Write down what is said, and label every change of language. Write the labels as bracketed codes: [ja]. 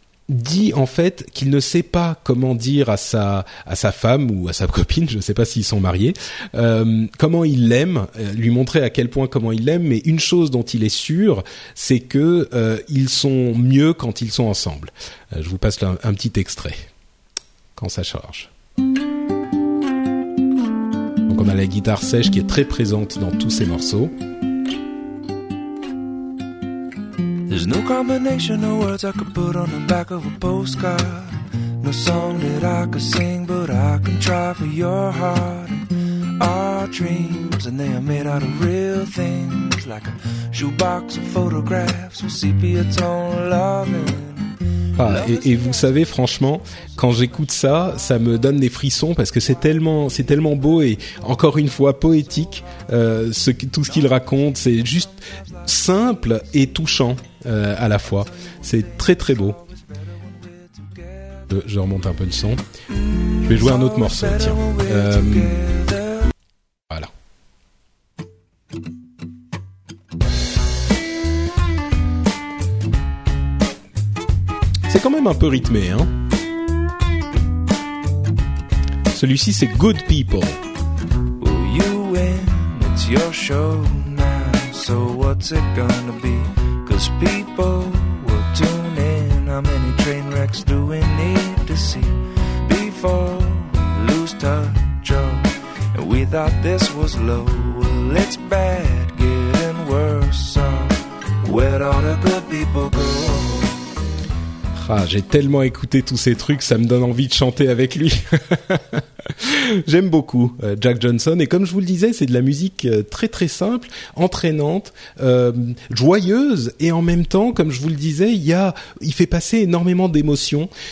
[fr] dit en fait qu'il ne sait pas comment dire à sa femme ou à sa copine, je ne sais pas s'ils sont mariés, comment il l'aime, lui montrer à quel point comment il l'aime, mais une chose dont il est sûr, c'est que ils sont mieux quand ils sont ensemble. Je vous passe un petit extrait quand ça charge. Donc on a la guitare sèche qui est très présente dans tous ces morceaux. [en] There's no combination of words I could put on the back of a postcard. No song that I could sing, but I can try for your heart. Our dreams, and they are made out of real things. Like a shoebox of photographs with sepia tone loving. [fr] Ah, et vous savez, franchement, quand j'écoute ça, ça me donne des frissons parce que c'est tellement beau et encore une fois poétique, tout ce qu'il raconte. C'est juste simple et touchant à la fois. C'est très très beau. Je remonte un peu le son. Je vais jouer un autre morceau, tiens. Voilà. C'est quand même un peu rythmé, hein. Celui-ci, c'est Good People. [en] Will you win? It's your show now. So what's it gonna be? 'Cause people will tune in. How many train wrecks do we need to see before we lose touch? And we thought this was low. Well, it's bad, getting worse. So where'd all the good people go? [fr] Ah, j'ai tellement écouté tous ces trucs, ça me donne envie de chanter avec lui. J'aime beaucoup Jack Johnson, et comme je vous le disais, c'est de la musique très très simple, entraînante, joyeuse, et en même temps, comme je vous le disais, il fait passer énormément d'émotions.